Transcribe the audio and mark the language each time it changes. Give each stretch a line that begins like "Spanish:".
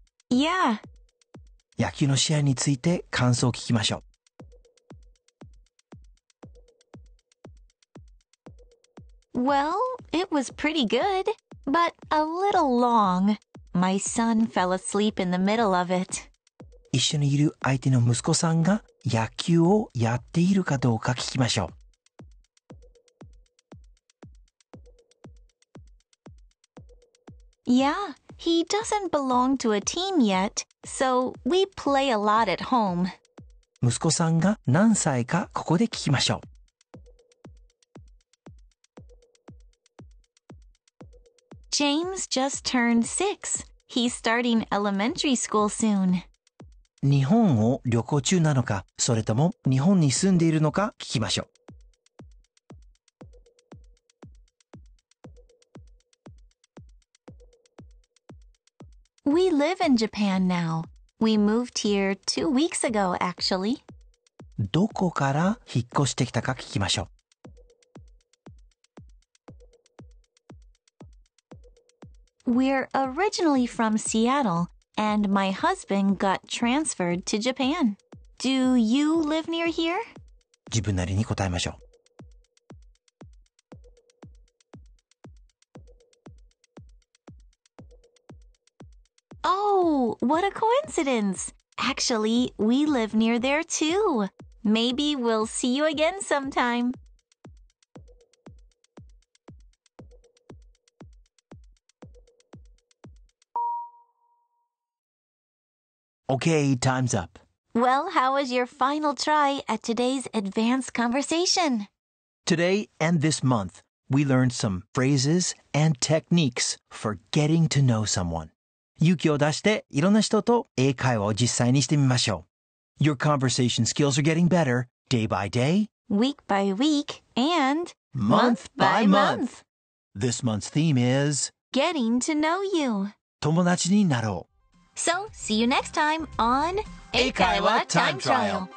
English: Yeah.
Japanese: 野球の試合について感想を聞きましょう。
English: Well, it was pretty good, but a little long. My son fell asleep in the middle of it.
Japanese: 一緒にいる相手の息子さんが野球をやっているかどうか聞きましょう。
English: Yeah, he doesn't belong to a team yet, so we play a lot at home.
Japanese: 息子さんが何歳かここで聞きましょう。
English: James just turned 6. He's starting elementary school soon.
Japanese: 日本を旅行中なのか、それとも日本に住んでいるのか聞きましょう。
English: We live in Japan now. We moved here 2 weeks ago, actually.
Japanese: どこから引っ越してきたか聞きましょう。
English: We're originally from Seattle, and my husband got transferred to Japan. Do you live near here?
Japanese: 自分なりに答えましょう。
English: Oh, what a coincidence! Actually, we live near there too. Maybe we'll see you again sometime. Okay, time's up. Well, how was your final try at today's advanced conversation? Today and this month, we learned some phrases and techniques for getting to know someone.
Japanese: 勇気を出していろんな人と英会話を実際にしてみましょう。
English: Your conversation skills are getting better day by day, week by week, and month by month. This month's theme is getting to know you.
Japanese: 友達になろう。
English: So, see you next time on
Japanese: 英会話 Time Trial.